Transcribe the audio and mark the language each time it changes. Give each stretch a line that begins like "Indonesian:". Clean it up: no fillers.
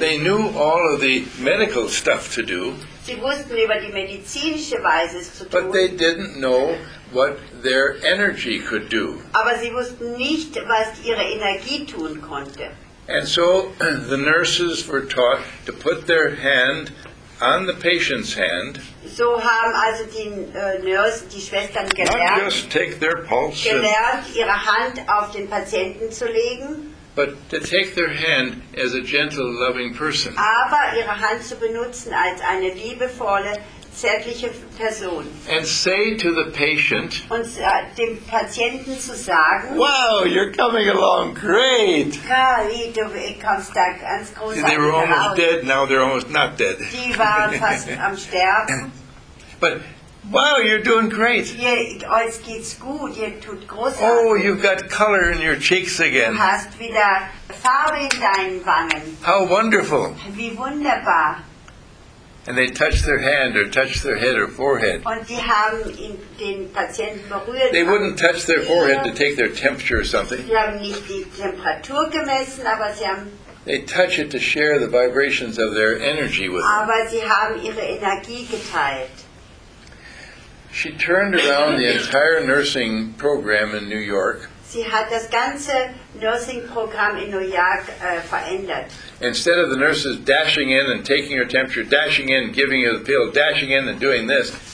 English: They knew all of the medical stuff to do.
German: Sie wussten über die medizinische Weise zu tun.
English: But they didn't know what their energy could do.
German: Aber sie wussten nicht, was ihre Energie tun konnte.
English: And so the nurses were taught to put their hand on the patient's hand.
German: So haben also die Schwestern gelernt.
English: Not just take their pulse.
German: Gelernt, ihre Hand auf den Patienten zu legen.
English: But to take their hand as a gentle, loving person.
German: Aber ihre Hand zu benutzen als eine liebevolle, zärtliche Person.
English: And say to the patient.
German: Und dem Patienten zu sagen.
English: Wow, you're coming along great. Golly,
German: du kommst da ganz großartig raus.
English: They were almost dead. Now they're almost not dead.
German: Die waren fast am Sterben.
English: But wow, you're doing great. Yeah,
German: euch geht's gut. Ihr tut großartig.
English: Oh, you've got color in your cheeks again.
German: Du hast wieder Farbe in deinen Wangen.
English: How wonderful.
German: Wie wunderbar.
English: And they touch their hand or touch their head or forehead.
German: Und die haben in den Patienten berührt.
English: They wouldn't touch their forehead to take their temperature or something.
German: Sie haben nicht die Temperatur gemessen, aber sie haben.
English: They touch it to share the vibrations of their energy with them.
German: Aber sie haben ihre Energie geteilt.
English: She turned around the entire nursing program in New York.
German: Sie hat das ganze Nursing-Programm in New York verändert.
English: Instead of the nurses dashing in and taking her temperature, dashing in, giving her the pill, dashing in and doing this.